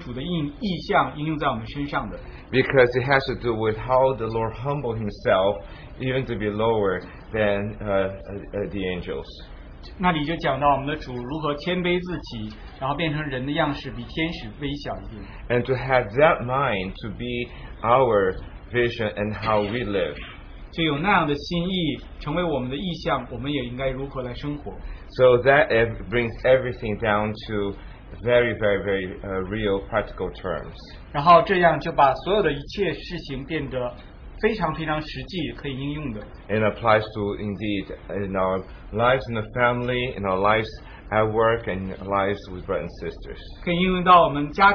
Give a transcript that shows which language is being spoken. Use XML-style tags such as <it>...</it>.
<zh>那里面所讲的经节并不是我们平时想到好像关于主的意象应用在我们身上的。</zh> <en>Because it has to do with how the Lord humbled himself even to be lower than the angels.</en> <zh>那里就讲到我们的主如何谦卑自己，然后变成人的样式，比天使微小一点。</zh> <en>And to have that mind to be our vision and how we live.</en> <zh>就有那样的心意成为我们的意象，我们也应该如何来生活。</zh> <en>So that brings everything down to very, very, very real practical terms.</en> <zh>然后这样就把所有的一切事情变得非常非常实际可以应用的。</zh> <en>And applies to indeed in our lives in the family, in our lives at work, and lives with brothers and sisters.</en>